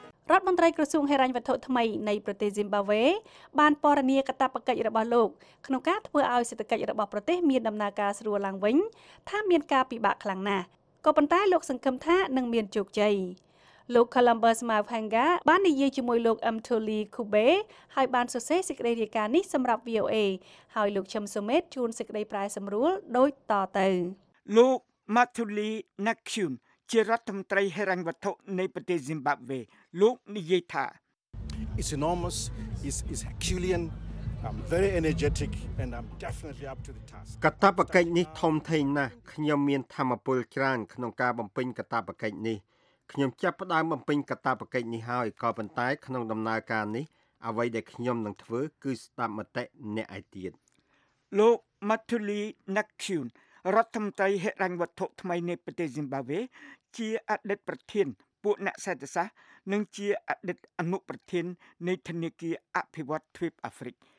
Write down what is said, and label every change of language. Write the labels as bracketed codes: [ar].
[km] រដ្ឋមន្ត្រីក្រសួងហិរញ្ញវត្ថុថ្មីនៃប្រទេសស៊ីមបាវេបានពណ៌នាកាតព្វកិច្ចរបស់លោកក្នុងការធ្វើឲ្យសេដ្ឋកិច្ចរបស់ប្រទេសមានដំណើរការស្រួលឡើងវិញថាមានការពិបាកខ្លាំងណាស់ក៏ប៉ុន្តែលោកសង្ឃឹមថានឹងមានជោគជ័យលោក Columbus Mavhanga បាននិយាយជាមួយលោក M. Thuli Kube ហើយបានសរសេរសេចក្តីរាយការណ៍នេះសម្រាប់ VOA ហើយលោកឈឹមសុមេតជួនសេចក្តីប្រែសម្រួលដូចតទៅ លោក Mathuli Nakhun ជារដ្ឋមន្ត្រីហិរញ្ញវត្ថុនៃប្រទេសស៊ីមបាវេលោកនិយាយថា [en] It's enormous is Herculean I'm very energetic and I'm definitely up to the task [km] កាតព្វកិច្ចនេះធំធេងណាស់ខ្ញុំមានធម្មពលច្រើនក្នុងការបំពេញកាតព្វកិច្ចនេះខ្ញុំចាប់ផ្ដើមបំពេញកាតព្វកិច្ចនេះហើយក៏ប៉ុន្តែក្នុងដំណើរការនេះអ្វីដែលខ្ញុំនឹងធ្វើគឺស្ដាប់មតិអ្នកឯទៀត លោក Mathuli Nakhun រដ្ឋមន្ត្រីហិរញ្ញវត្ថុថ្មីនៃប្រទេសស៊ីមបាវេជាអតីតប្រធានពួកអ្នកសេដ្ឋសាស្ត្រនិងជាអតីតអនុប្រធាននៃធនាគារអភិវឌ្ឍទ្វីបអាហ្វ្រិក